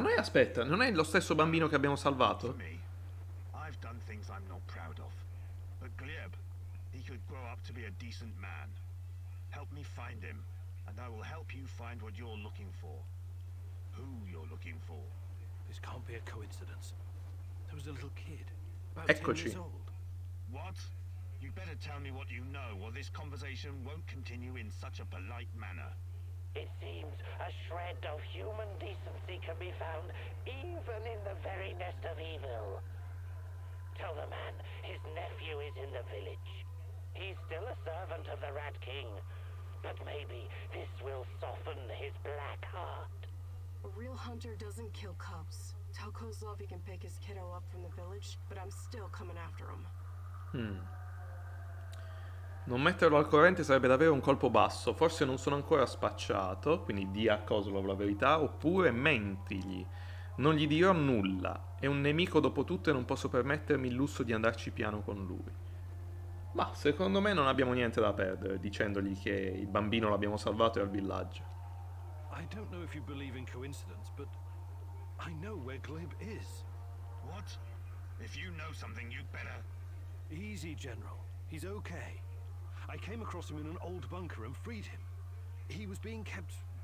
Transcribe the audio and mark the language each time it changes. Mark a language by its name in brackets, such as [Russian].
[Italian] Ma noi, aspetta, non è lo stesso bambino che abbiamo salvato? [English] I've done things I'm not proud of. But Glieb, he could grow up to be a decent man. Help me find him, and I will help you find what you're looking for. Who you're looking for. This can't be a coincidence. There was a little kid, about 10 years old. What? You better tell me what you know, or this conversation won't continue in such a polite manner. It seems a shred of human decency can be found even in the very nest of evil. Tell the man his nephew is in the village. He's still a servant of the Rat King, but maybe this will soften his black heart. A real hunter doesn't kill cubs. Tell Kozlov he can pick his kiddo up from the village, but I'm still coming after him. [Italian] Non metterlo al corrente sarebbe davvero un colpo basso. Forse non sono ancora spacciato, quindi dia a Kozlov la verità, oppure mentigli. Non gli dirò nulla. È un nemico dopo tutto e non posso permettermi il lusso di andarci piano con lui. Ma secondo me non abbiamo niente da perdere dicendogli che il bambino l'abbiamo salvato e al villaggio. [English] I don't know if you believe in coincidence, but I know where Glib is. What? If you know something, you'd better... Easy, General. He's okay. I came across him in an old bunker and freed him. He was being kept...